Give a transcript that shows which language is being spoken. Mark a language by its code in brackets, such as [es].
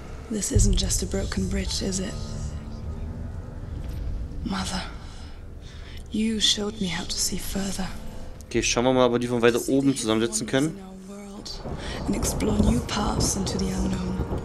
[en] This isn't just a broken bridge, is it? Mother, you showed me how to see further. [de] Okay, schauen wir mal, ob wir die von weiter oben zusammensetzen können. [en] And explore new paths into the unknown.